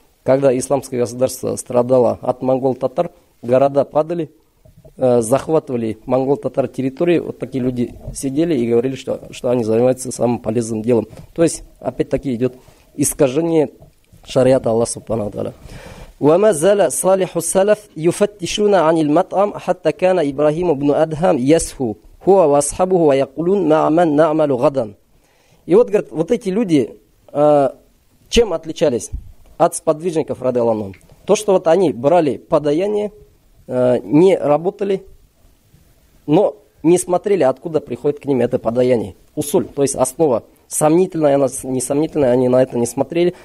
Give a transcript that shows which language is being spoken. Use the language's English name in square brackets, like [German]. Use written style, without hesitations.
[Russian] Когда исламское государство страдало от монгол-татар, города падали, захватывали монгол-татар территории, вот такие люди сидели и говорили, что они занимаются самым полезным делом. То есть, опять-таки, идет искажение шариата Аллаха субхана ва тааля. [Arabic] وما زال صالح السلف يفتشون عن المطعم حتى كان إبراهيم بن أدهم يسهو هو وأصحابه ويقولون مع من نعمل غدا. [Russian] И вот, говорит, вот эти люди чем отличались от сподвижников ради Аллаха? То, что вот они брали подаяние, не работали, но не смотрели, откуда приходит к ним это подаяние. Усуль, то есть основа. Сомнительная она, несомнительная, они на это не смотрели.